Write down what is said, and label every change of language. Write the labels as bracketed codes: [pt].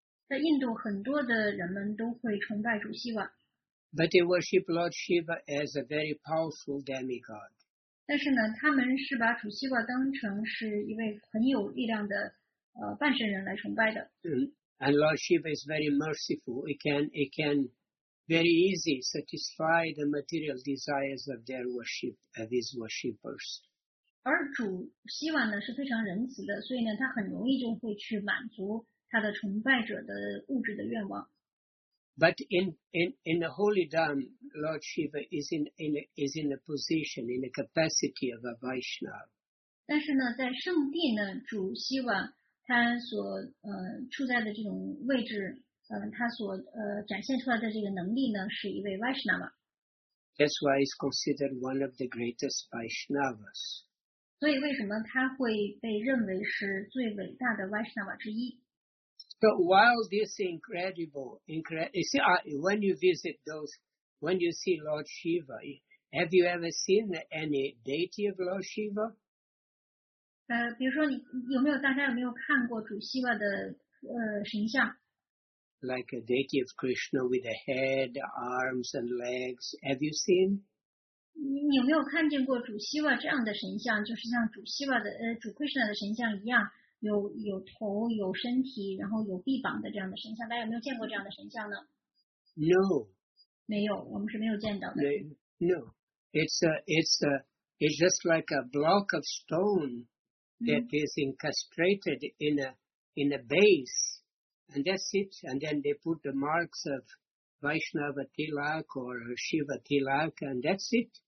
[zh] 在印度，很多的人们都会崇拜主希瓦。 [en] But they worship Lord Shiva as a very powerful demigod. [zh] 但是呢，他们是把主希瓦当成是一位很有力量的。半神人来崇拜的。 [en] And Lord Shiva is very merciful. He can very easily satisfy the material desires of their worship, of his worshippers. [zh] 而主希瓦呢是非常仁慈的，所以呢他很容易就会去满足他的崇拜者的物质的愿望。 [en] But in the holy dam, Lord Shiva is in a position, in the capacity of a Vaishnava. [zh] 但是呢，在圣地呢，主希瓦他所处在的这种位置，他所展现出来的这个能力呢，是一位 Vaishnava。 [en] That's why he's considered one of the greatest Vaishnavas. [zh] 所以为什么他会被认为是最伟大的 Vaishnava 之一？ [en] So while this incredible, when you visit those, when you see Lord Shiva, have you ever seen any deity of Lord Shiva? [zh] 比如说你有没有大家有没有看过主希瓦的神像？ [en] Like a deity of Krishna with a head, arms, and legs. Have you seen? [zh] 你有没有看见过主希瓦这样的神像？就是像主希瓦的主 Krishna 的神像一样，有头，有身体，然后有臂膀的这样的神像。大家有没有见过这样的神像呢 [en] ？No. [zh] 没有，我们是没有见到的。 [en] No. It's just like a block of stone that is incrusted in a base. And that's it. And then they put the marks of Vaishnava Tilak or Shiva Tilak, and that's it.